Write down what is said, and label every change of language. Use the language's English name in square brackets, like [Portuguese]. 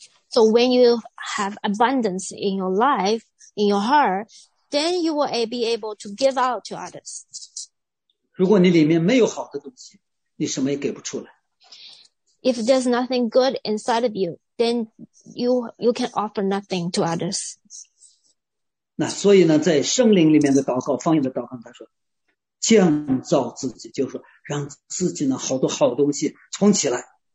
[English] So when you have abundance in your life, in your heart, then you will be able to give out to others. [Chinese] 如果你里面没有好的东西，你什么也给不出来。 [English] If there's nothing good inside of you, then you can offer nothing to others. [Chinese] 那所以呢，在圣灵里面的祷告，方言的祷告，他说。建造自己，就是说让自己呢好多好东西充起来。